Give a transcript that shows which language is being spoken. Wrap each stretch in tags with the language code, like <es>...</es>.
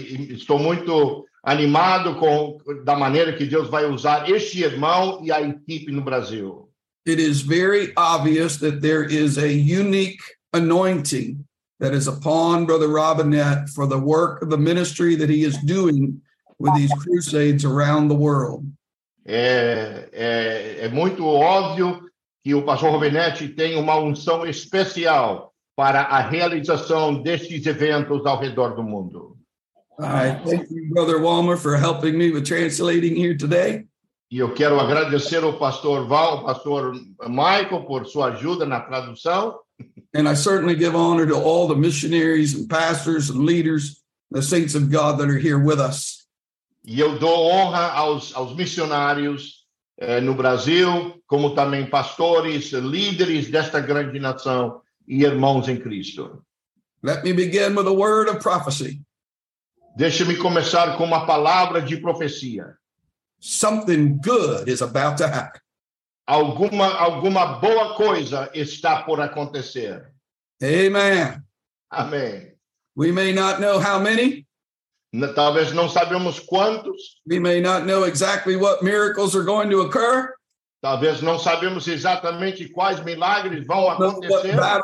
<pt>Estou muito animado com da maneira que Deus vai usar este irmão e a equipe no Brasil.</pt> <en>It is very obvious that there is a unique anointing that is upon Brother Robinette for the work of the ministry that he is doing with these crusades around the world.</en> <pt>É muito óbvio que o pastor Robinette tem uma unção especial para a realização destes eventos ao redor do mundo.</pt> <en>Thank you, Brother Walmer, for helping me with translating here today.</en> <pt>E eu quero agradecer ao pastor Val, pastor Michael, por sua ajuda na tradução.</pt> <en>And I certainly give honor to all the missionaries and pastors and leaders, the saints of God that are here with us.</en> <pt>E eu dou honra aos missionários no Brasil, como também pastores, líderes desta grande nação. E irmãos em Cristo.</pt> <en>Let me begin with a word of prophecy.</en> <pt>Deixe-me começar com uma palavra de profecia.</pt> <en>Something good is about to happen.</en> <pt>Alguma boa coisa está por acontecer.</pt> <en>Amen.</en> <pt>Amém.</pt> <en>We may not know how many.</en> <pt>Talvez não sabemos quantos.</pt> <en>We may not know exactly what miracles are going to occur.</en> <pt>Talvez não sabemos exatamente quais milagres vão acontecer.</pt>